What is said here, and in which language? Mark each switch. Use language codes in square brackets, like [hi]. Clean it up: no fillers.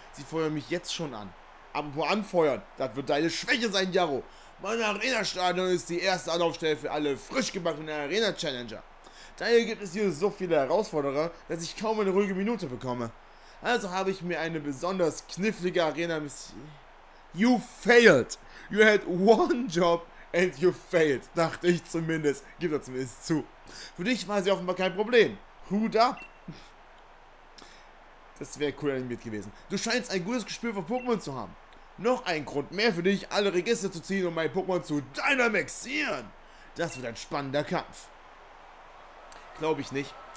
[de] Sie feuern mich jetzt schon an. Apropos anfeuern, das wird deine Schwäche sein, Jaro. Mein Arena-Stadion ist die erste Anlaufstelle für alle frisch gebackenen Arena-Challenger. Daher gibt es hier so viele Herausforderer, dass ich kaum eine ruhige Minute bekomme. Also habe ich mir eine besonders knifflige Arena-Mission... [en] You failed! You had one job and you failed, [de] dachte ich zumindest. Gib doch zumindest zu. Für dich war sie offenbar kein Problem. [en] Hood up! [de] Das wäre cool animiert gewesen. Du scheinst ein gutes Gespür für Pokémon zu haben. Noch ein Grund mehr für dich, alle Register zu ziehen und mein Pokémon zu Dynamaxieren. Das wird ein spannender Kampf. Glaube ich nicht.